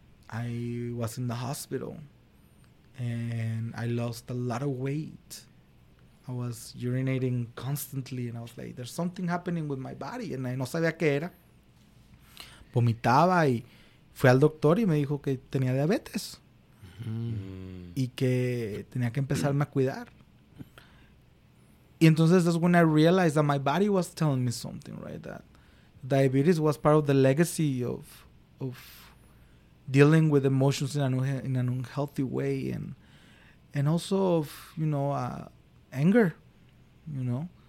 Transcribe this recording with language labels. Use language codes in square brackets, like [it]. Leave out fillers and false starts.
[en] I was in the hospital and I lost a lot of weight. I was urinating constantly and I was like, there's something happening with my body. And I [es] no sabía qué era. Vomitaba y fui al doctor y me dijo que tenía diabetes. Mm-hmm. Y que tenía que empezarme a cuidar. Y entonces [en] that's when I realized that my body was telling me something, right? That diabetes was part of the legacy of dealing with emotions in an unhealthy way. And also of, you know, anger, you know.